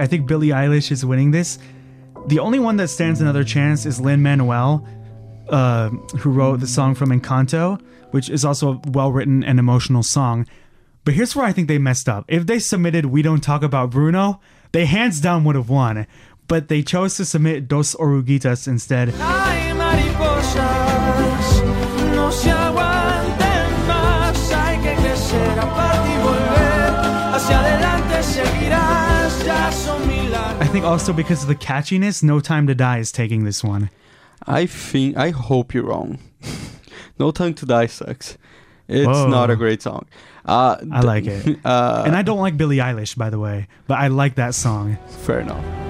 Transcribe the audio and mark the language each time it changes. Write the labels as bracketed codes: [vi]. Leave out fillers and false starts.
[en] I think Billie Eilish is winning this. The only one that stands another chance is Lin-Manuel, who wrote the song from Encanto, which is also a well-written and emotional song. But here's where I think they messed up. If they submitted We Don't Talk About Bruno, they hands down would have won. But they chose to submit Dos Oruguitas instead. [es] Ay, mariposas, no se aguanten más. Hay que crecer, aparte y volver. Hacia adelante seguirás, ya son milagros. [en] I think also because of the catchiness, No Time to Die is taking this one. I hope you're wrong. No Time to Die sucks. It's not a great song. I like it. And I don't like Billie Eilish, by the way, but I like that song. Fair enough.